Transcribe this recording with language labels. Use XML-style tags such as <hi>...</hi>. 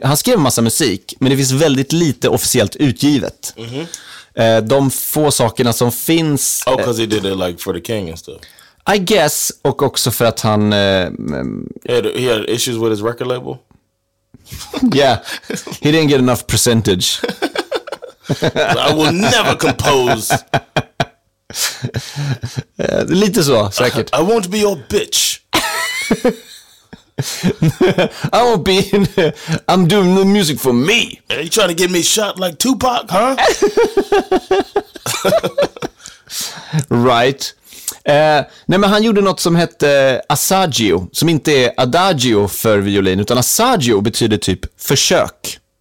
<sv>Han skrev massa musik, men det finns väldigt lite officiellt utgivet. De få sakerna som finns...</sv> <en>Oh, because he did it like for the king and stuff. I guess,</en> <sv>och också för att han...</sv> <en>He had issues with his record label? Yeah, he didn't get enough percentage. I will never compose.</en> <sv>Lite så, säkert.</sv> <en>I won't be your bitch. I won't be in, I'm doing the music for me. Are you trying to get me shot like Tupac, huh? Right.</en> <sv>Nej, men han gjorde något som hette Asagio, som inte är adagio för violin, utan Asagio betyder typ försök.</sv>